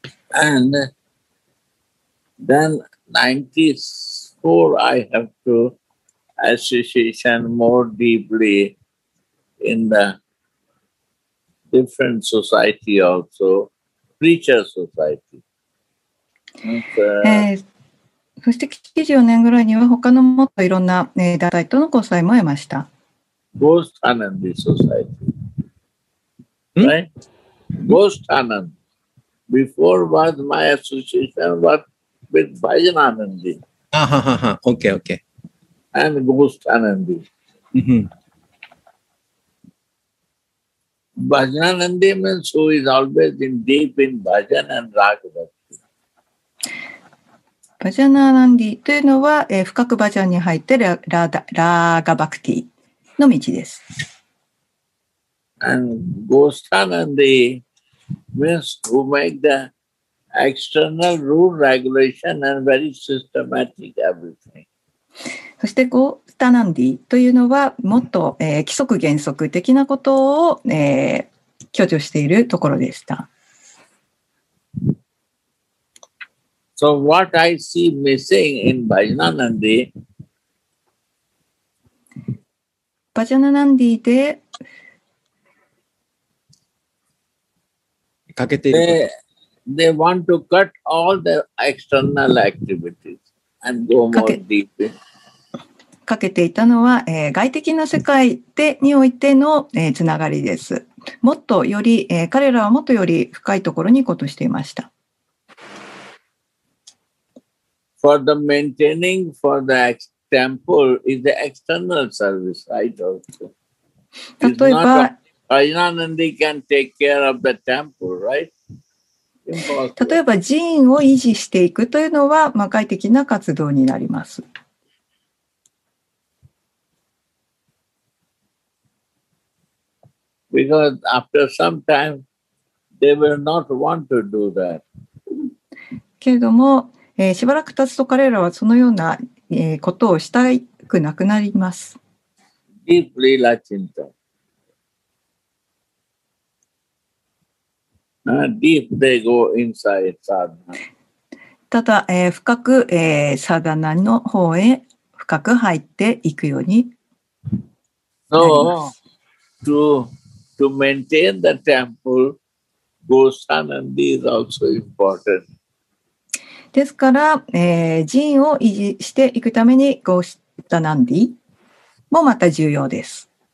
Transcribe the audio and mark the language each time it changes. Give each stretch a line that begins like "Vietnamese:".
English: And then 94, I have toassociation more deeply in the different society also, preacher society.
Japanese: そして94年ぐらいには他のもっといろんな団体との交際も得ました。
English: Ghost Anandi Society. Right? Ghost Anand. Before was my association was with Bhajan Anandi. Okay, okay. And Ghost Anandi. Mm-hmm. Bhajan Anandi means who is always in deep in Bhajan and Raghavati.
Japanese: バジャナーナンディというのは、深くバジャンに入ってラーガバクティの道です。
English: And ゴースタナンディ means who make the external rule regulation and very systematic everything.
Japanese: そしてゴースタナンディというのはもっと、規則原則的なことを、強調しているところでした。
English: So what I see missing in Bhajanandi,
Japanese: Bhajanandi で欠けている。
English: They want to cut all the external activities and go more deep.
Japanese: 欠けていたのは、外的な世界でにおいての、つながりです。もっとより、彼らはもっとより深いところに行こうとしていました。
English: For the maintaining for the temple is the external service, right? Also, it's not that Vajranandi can take care of the temple, right? Impossible.
Japanese: 例えば寺院を維持していくというのは、まあ、外的な活動になります。
English: Because after some time, they will not want to do that.
Japanese: けれども、しばらく経つと彼らはそのような、ことをしたくなくなります。
English: Deeply lachinta. Deep they go inside sadhana.
Japanese: ただ、深く、サダナの方へ深く入っていくようになります。
English: To maintain the temple, Gosanandi is also important.
Japanese: ですから、寺院を維持していくためにゴースタナンディもまた重要です。